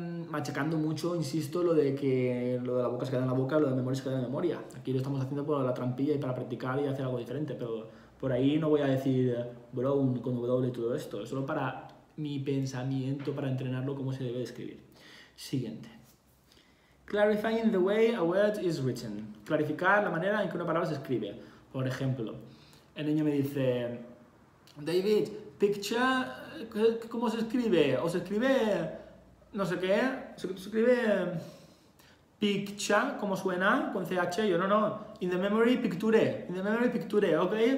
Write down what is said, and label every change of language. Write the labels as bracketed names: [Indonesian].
[Spanish] Machacando mucho, insisto, lo de que lo de la boca se queda en la boca, lo de memoria se queda en memoria. Aquí lo estamos haciendo por la trampilla y para practicar y hacer algo diferente. Pero por ahí no voy a decir brown con W y todo esto. Es solo para mi pensamiento, para entrenarlo como se debe de escribir. Siguiente. [English] Clarifying the way a word is written. [Spanish] Clarificar la manera en que una palabra se escribe. Por ejemplo, el niño me dice, David, picture, ¿cómo se escribe? O se escribe, no sé qué, se escribe Picture, como suena, con CH, yo no, no. [English] In the memory picture, [Spanish] in the memory picture, ¿ok?